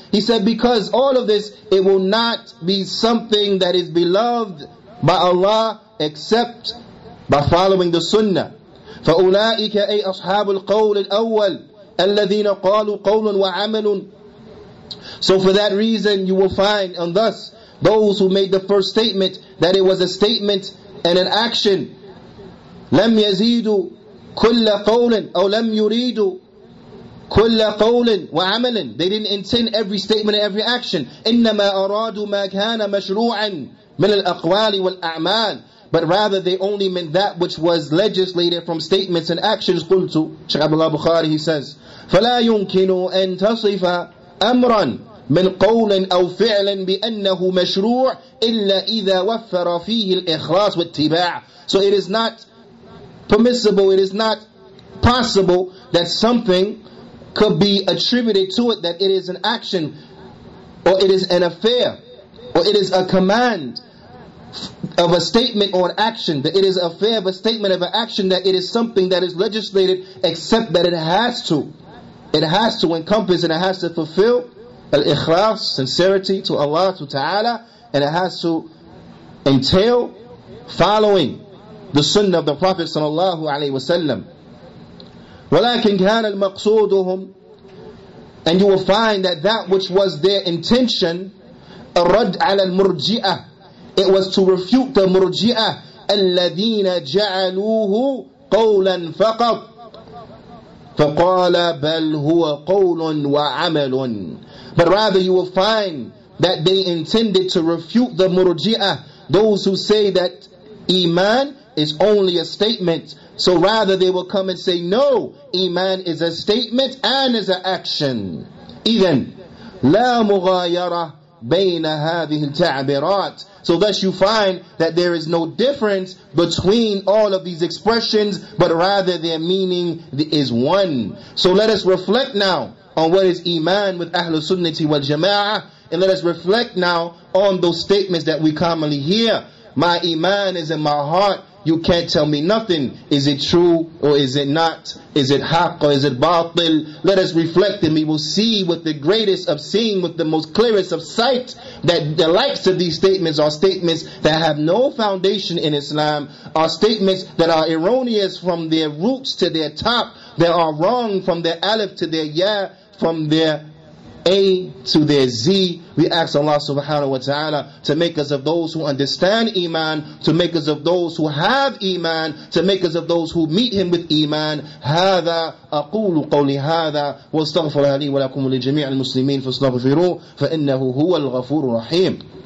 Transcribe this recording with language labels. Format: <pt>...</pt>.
<en>He said, because all of this, it will not be something that is beloved by Allah except by following the Sunnah.</en> <ar>فأولئك أي أصحاب القول الأول الذين قالوا قول وعمل.</ar> <en>So for that reason, you will find, and thus, those who made the first statement, that it was a statement and an action.</en> <ar>لم يزيدوا كل قول أو لم يريدوا كل قول وعمل.</ar> <en>They didn't intend every statement and every action.</en> <ar>إنما أرادوا ما كان مشروعا من الأقوال والأعمال.</ar> <en>But rather they only meant that which was legislated from statements and actions.</en> <ar>قلت شيخ عبد الله البخاري,</ar> <en>he says,</en> <ar>فلا يمكن أن تصف أمرا من قول أو فعل بأنه مشروع إلا إذا وفر فيه الإخلاص والتباع.</ar> <en>So it is not permissible, it is not possible that something could be attributed to it, that it is an action, or it is an affair, or it is a command of a statement or an action, that it is affair of a statement of an action, that it is something that is legislated, except that it has to encompass and it has to fulfill al-ikhlas, sincerity to Allah Ta'ala, and it has to entail following the sunnah of the Prophet sallallahu alayhi wa sallam.</en> <ar>وَلَكِنْ كَانَ الْمَقْصُودُهُمْ,</ar> <en>and you will find that that which was their intention,</en> <ar>الرد على المرجئة,</ar> <en>it was to refute the</en> <ar>مرجئة, الَّذِينَ جَعَلُوهُ قَوْلًا فَقَطْ فَقَالَ بَلْ هُوَ قَوْلٌ وَعَمَلٌ.</ar> <en>But rather you will find that they intended to refute the مرجئة, those who say that iman is only a statement. So rather they will come and say, no, iman is a statement and is an action.</en> <ar>إذن لا مغايرة بين هذه التعبيرات.</ar> <en>So thus you find that there is no difference between all of these expressions, but rather their meaning is one. So let us reflect now on what is iman with Ahlul Sunnati wal Jama'ah, and let us reflect now on those statements that we commonly hear. My iman is in my heart. you can't tell me nothing. Is it true or is it not? Is it haqq or is it batil? Let us reflect and we will see with the greatest of seeing, with the most clearest of sight, that the likes of these statements are statements that have no foundation in Islam, are statements that are erroneous from their roots to their top, that are wrong from their alif to their ya, from their A to their Z. We ask Allah subhanahu wa ta'ala to make us of those who understand Iman, to make us of those who have Iman, to make us of those who meet Him with Iman.</en> <ar>هذا أقول قولي هذا واستغفر لي ولكم ولجميع المسلمين فاستغفروه فإنه هو الغفور الرحيم.</ar>